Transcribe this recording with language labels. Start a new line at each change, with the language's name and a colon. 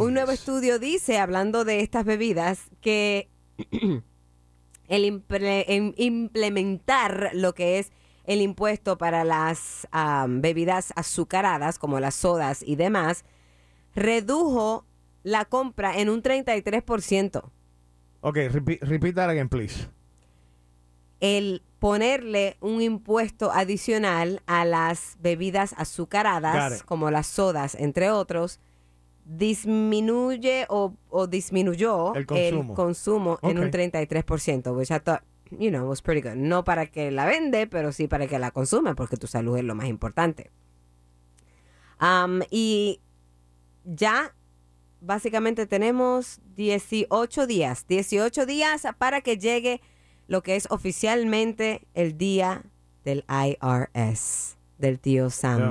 Spanish: Un nuevo estudio dice, hablando de estas bebidas, que el implementar lo que es el impuesto para las bebidas azucaradas, como las sodas y demás, redujo la compra en un 33%.
English: Ok, repeat that again, please.
Spanish: El ponerle un impuesto adicional a las bebidas azucaradas, como las sodas, entre otros, disminuye o disminuyó el consumo en un 33%,
English: which I thought, you know, it was pretty good.
Spanish: No para que la vende, pero sí para que la consume, porque tu salud es lo más importante. Y ya básicamente tenemos 18 días para que llegue lo que es oficialmente el día del IRS, del tío Sam.